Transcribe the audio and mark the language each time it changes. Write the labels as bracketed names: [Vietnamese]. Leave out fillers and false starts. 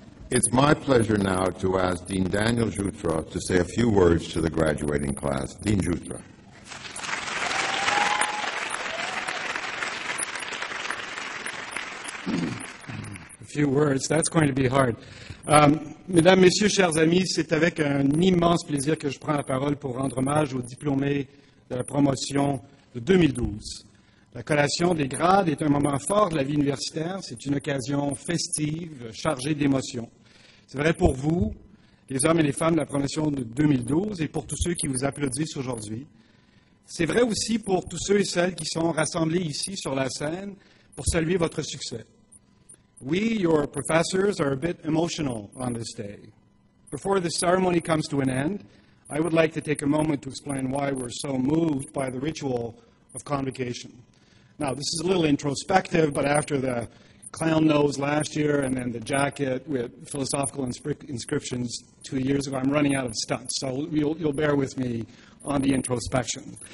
[English] It's my pleasure now to ask Dean Daniel Jutra to say a few words to the graduating class. Dean Jutra. A few words, that's going to be hard. [French] Mesdames, Messieurs, chers amis, c'est avec un immense plaisir que je prends la parole pour rendre hommage aux diplômés de la promotion de 2012. La collation des grades est un moment fort de la vie universitaire. C'est une occasion festive, chargée d'émotions. C'est vrai pour vous, les hommes et les femmes de la promotion de 2012, et pour tous ceux qui vous applaudissent aujourd'hui. C'est vrai aussi pour tous ceux et celles qui sont rassemblés ici sur la scène pour saluer votre succès. [English] We, your professors, are a bit emotional on this day. Before the ceremony comes to an end, I would like to take a moment to explain why we're so moved by the ritual of convocation. Now, this is a little introspective, but after the clown nose last year and then the jacket with philosophical inscriptions 2 years ago, I'm running out of stunts, so you'll bear with me on the introspection.